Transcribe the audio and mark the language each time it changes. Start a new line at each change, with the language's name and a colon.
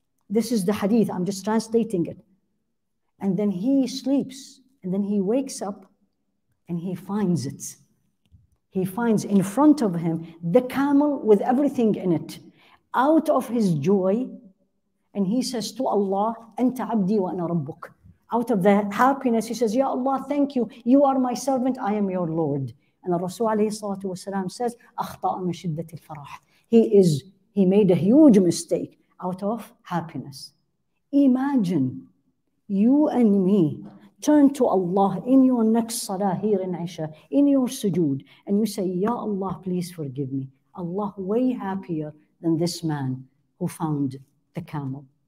English: This is the hadith, I'm just translating it. And then he sleeps, and then he wakes up, and he finds it. He finds in front of him the camel with everything in it, out of his joy, and he says to Allah,
Arabic: Anta abdi wa ana rabbuk.
English: Out of the happiness, he says, Ya Allah, thank you. You are my servant. I am your Lord.
Arabic: And Rasulullah says, أَخْطَأَ مِنْ شِدَّةِ الْفَرَحِ.
English: He made a huge mistake out of happiness. Imagine you and me turn to Allah in your next salah here in Isha, in your sujood, and you say, Ya Allah, please forgive me. Allah way happier than this man who found the camel.